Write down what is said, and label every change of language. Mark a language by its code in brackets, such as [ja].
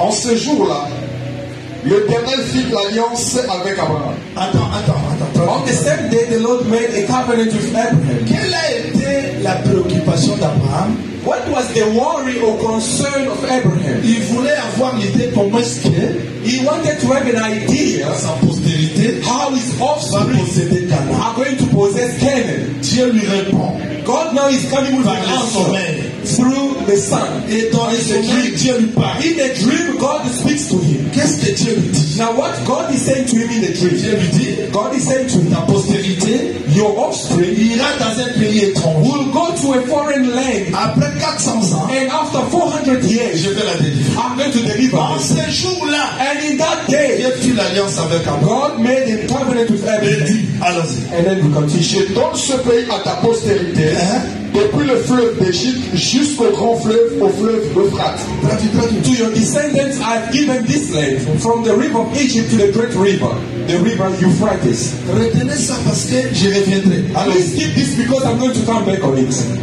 [fr] En ce jour-là, l'Éternel fit l'alliance avec Abraham. Attends. [en] On the same day, the Lord made a covenant with Abraham. [fr] Quelle a été la préoccupation d'Abraham? [en] What was the worry or concern of Abraham? [fr] Il voulait avoir l'idée comment est-ce que [en] he wanted to have an idea. [fr] Sa postérité. [en] How his offspring are going to possess Canaan? [fr] Dieu lui répond. [en] God now is coming with an answer through the Son. [fr] Et dans le [en] dream, [fr] Dieu lui parle. [en] In the dream, God speaks to him. [fr] Qu'est-ce que Dieu lui dit? [en] Now, what God is saying to him in the dream? [fr] Dieu lui dit, [en] God is saying to him, [fr] ta postérité, [en] your offspring, [fr] ira dans un pays étranger. [en] Will go to a foreign land. [fr] Après 400 ans, [en] and after 400 years, [fr] je vais la délivrer. [en] I'm going to deliver. [fr] En ce jour-là, [en] and in that day, [fr] Dieu fit l'alliance avec Abraham. [en] God made a covenant with Abraham. [fr] Allons-y. [en] And then we continue. [fr] Je donne ce pays à ta postérité. Depuis le fleuve d'Égypte jusqu'au grand fleuve, au fleuve Euphrate. [en] To your descendants, I've given this land from the river of Egypt to the river Euphrates. [fr] Retenez ça parce que je reviendrai. [en] Please keep this because I'm going to come back on it.